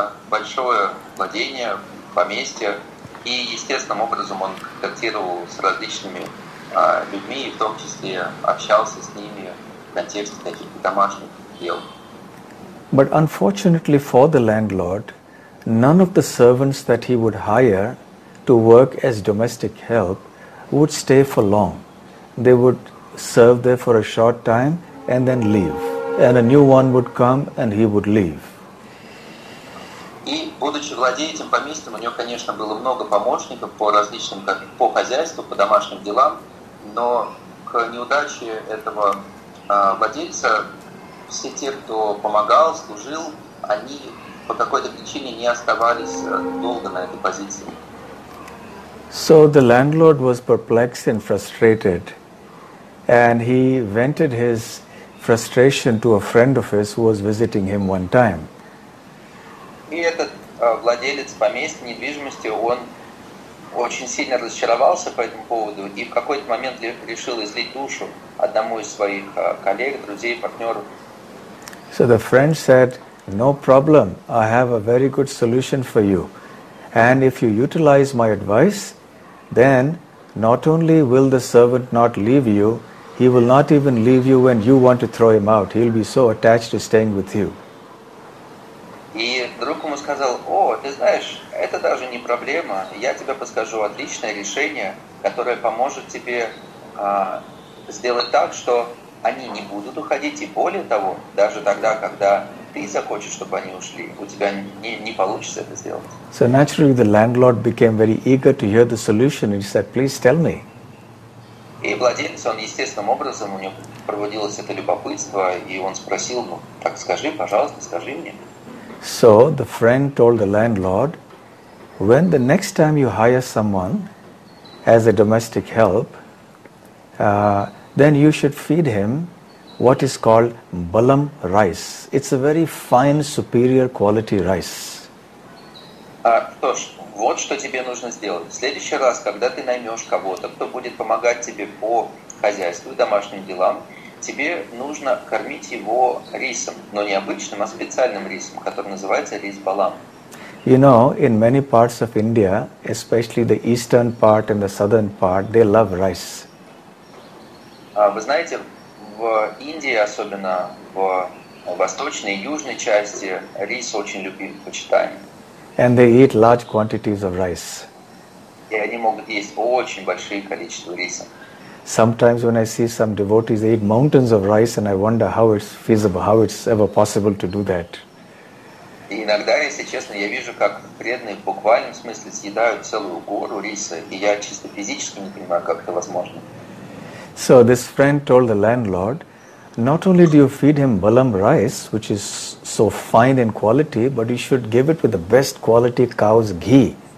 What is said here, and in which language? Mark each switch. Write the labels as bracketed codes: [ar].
[ru] большое владение, поместье, и естественным образом он контактировал с различными людьми, и в том числе общался с ними в контексте каких-то домашних дел. [en] But unfortunately for the landlord, none of the servants that he would hire to work as domestic help would stay for long. They would serve there for a short time and then leave. And a new one would come and he would leave. [ru] И будучи владельцем поместья, у него, конечно, было много помощников по различным, как по хозяйству, по домашним делам, но к неудаче этого владельца все те, кто помогал, служил, они по какой-то причине не оставались долго на этой позиции. [en] So the landlord was perplexed and frustrated, and he vented his frustration to a friend of his who was visiting him one time. [ru] И этот владелец поместья недвижимости, он очень сильно разочаровался по этому поводу и в какой-то момент решил излить душу одному из своих коллег, друзей, партнеров. [en] So the friend said, "No problem. I have a very good solution for you. And if you utilize my advice, then not only will the servant not leave you, he will not even leave you when you want to throw him out. He'll be so attached to staying with you." [ru] И друг ему сказал: "О, ты знаешь, это даже не проблема. Я тебе подскажу отличное решение, которое поможет тебе сделать так, что они не будут уходить, и более того, даже тогда, когда ты захочешь, чтобы они ушли, у тебя не получится это сделать." [en] So naturally the landlord became very eager to hear the solution and he said, "Please tell me." [ru] И владелец, он естественным образом, у него проводилось это любопытство, и он спросил: "Ну, так скажи, пожалуйста, скажи мне." [en] So the friend told the landlord, "When the next time you hire someone as a domestic help, then you should feed him what is called balam rice. It's a very fine, superior quality rice." [ru] Что ж, вот что тебе нужно сделать. В следующий раз, когда ты наймешь кого-то, кто будет помогать тебе по хозяйству и домашним делам, тебе нужно кормить его рисом, но не обычным, а специальным рисом, который называется рис балам. [en] You know, in many parts of India, especially the eastern part and the southern part, they love rice. [ru] Вы знаете, в Индии, особенно в восточной и южной части, рис очень любим, почитаем. [en] And they eat large quantities of rice. [ru] И они могут есть очень большие количества риса. [en] Sometimes when I see some devotees, they eat mountains of rice, and I wonder how it's feasible, how it's ever possible to do that. [ru] И иногда, если честно, я вижу, как преданные в буквальном смысле съедают целую гору риса, и я чисто физически не понимаю, как это возможно. [en] So this friend told the landlord, "Not only do you feed him balam rice, which is so fine in quality, but you should give it with the best quality cow's ghee."